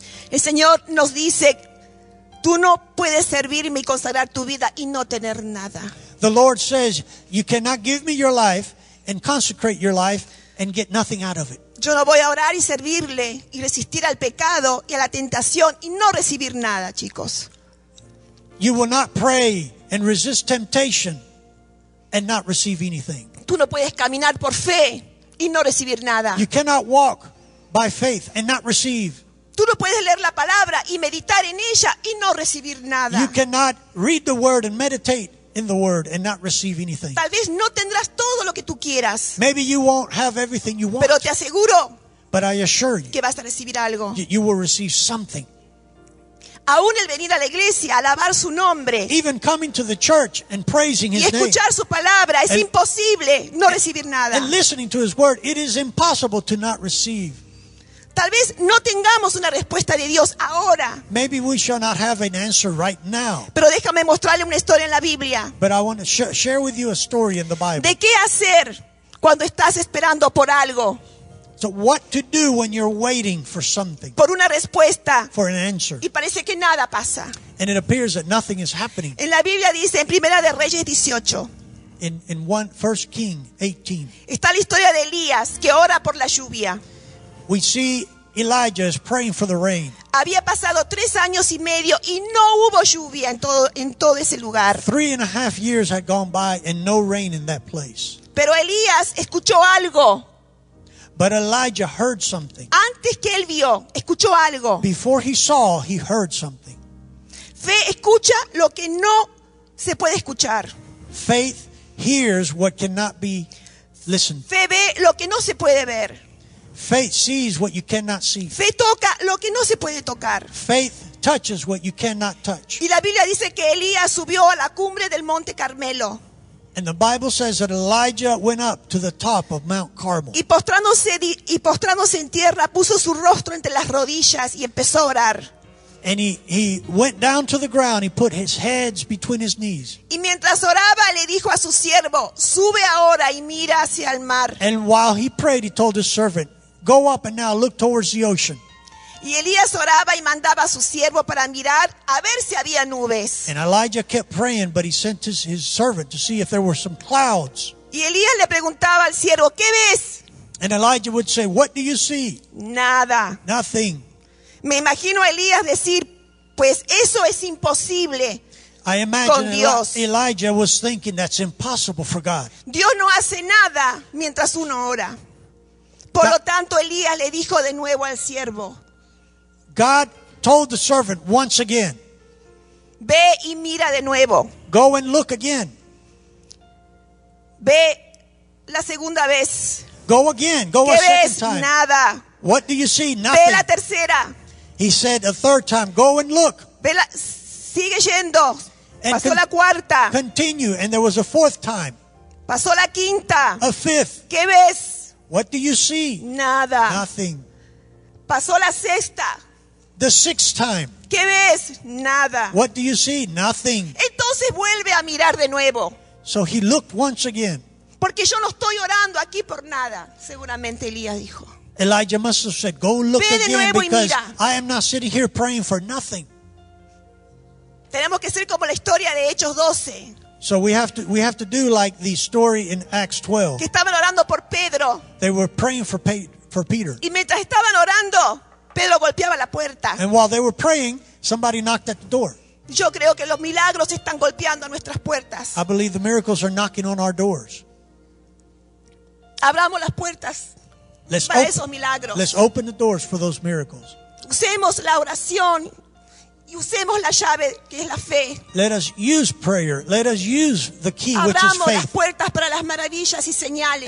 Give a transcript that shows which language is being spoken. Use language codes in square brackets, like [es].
[es] El Señor nos dice, tú no puedes servirme y consagrar tu vida y no tener nada. [en] The Lord says, you cannot give me your life and consecrate your life and get nothing out of it. [es] Yo no voy a orar y servirle y resistir al pecado y a la tentación y no recibir nada, chicos. [en] You will not pray and resist temptation and not receive anything. [es] Tú no puedes caminar por fe y no recibir nada. [en] You cannot walk by faith and not receive. [es] Tú no puedes leer la palabra y meditar en ella y no recibir nada. [en] You cannot read the word and meditate in the word and not receive anything. [es] Tal vez no tendrás todo lo que tú quieras. [en] Maybe you won't have everything you want. [es] Pero te aseguro. [en] But I assure you. [es] Que vas a recibir algo. [en] You will receive something. [es] Aún el venir a la iglesia, alabar su nombre. [en] Even coming to the church and praising his name. [es] Y escuchar su palabra es imposible no recibir nada. [en] And listening to his word, it is impossible to not receive. [es] Tal vez no tengamos una respuesta de Dios ahora. [en] Maybe we shall not have an answer right now. [es] Pero déjame mostrarle una historia en la Biblia. [en] But I want to share with you a story in the Bible. [es] ¿De qué hacer cuando estás esperando por algo? [en] So what to do when you're waiting for something? [es] Por una respuesta. [en] For an answer. [es] Y parece que nada pasa. [en] And it appears that nothing is happening. [es] En la Biblia dice en Primera de Reyes 18. [en] In 1 Kings 18. [es] Está la historia de Elías que ora por la lluvia. [en] We see Elijah is praying for the rain. [es] Había pasado 3 años y medio y no hubo lluvia en todo ese lugar. [en] 3.5 years had gone by and no rain in that place. [es] Pero Elías escuchó algo. [en] But Elijah heard something. [es] Antes que él vio, escuchó algo. [en] Before he saw, he heard something. [es] Fe escucha lo que no se puede escuchar. [en] Faith hears what cannot be listened. [es] Fe ve lo que no se puede ver. [en] Faith sees what you cannot see. [es] Fe toca lo que no se puede tocar. [en] Faith touches what you cannot touch. [es] Y la Biblia dice que Elías subió a la cumbre del Monte Carmelo. [en] And the Bible says that Elijah went up to the top of Mount Carmel. [es] Y postrándose en tierra, puso su rostro entre las rodillas y empezó a orar. [en] And he went down to the ground. He put his heads between his knees. [es] Y mientras oraba, le dijo a su siervo, sube ahora y mira hacia el mar. [en] And while he prayed, he told his servant, go up and now look towards the ocean. [es] Y Elías oraba y mandaba a su siervo para mirar a ver si había nubes. [en] And Elijah kept praying, but he sent his servant to see if there were some clouds. [es] Y Elías le preguntaba al siervo, ¿qué ves? [en] And Elijah would say, what do you see? [es] Nada. [en] Nothing. [es] Me imagino a Elías decir, pues eso es imposible. [en] I imagine Elijah was thinking that's impossible for God. [es] Dios no hace nada mientras uno ora. Por lo tanto, Elías le dijo de nuevo al siervo. [en] God told the servant once again. [es] Ve y mira de nuevo. [en] Go and look again. [es] Ve la segunda vez. [en] Go again. Go a second time. [es] Nada. [en] What do you see? Nothing. [es] Ve la tercera. [en] He said a third time, go and look. [es] Ve la, sigue yendo. Pasó la cuarta. [en] Continue. And there was a fourth time. [es] Pasó la quinta. [en] A fifth. [es] ¿Qué ves? [en] What do you see? [es] Nada. [en] Nothing. [es] Pasó la sexta. [en] The sixth time. [es] ¿Qué ves? Nada. [en] What do you see? Nothing. [es] Entonces vuelve a mirar de nuevo. [en] So he looked once again. [es] Porque yo no estoy orando aquí por nada, seguramente Elías dijo. [en] Elijah must have said, go look again because I am not sitting here praying for nothing. [es] Tenemos que ser como la historia de Hechos 12. [en] So we have to do like the story in Acts 12. [es] Que estaban orando por Pedro. [en] They were praying for Peter. [es] Y mientras estaban orando, Pedro golpeaba la puerta. [en] And while they were praying, somebody knocked at the door. [es] Yo creo que los milagros están golpeando nuestras puertas. [en] I believe the miracles are knocking on our doors. [es] Abramos las puertas. [en] Let's open the doors for those miracles. [es] Usemos la oración y usemos la llave que es la fe. [en] Let us use prayer. Let us use the key, [es] abramos [en] which is faith. [es] Las puertas para las maravillas y señales.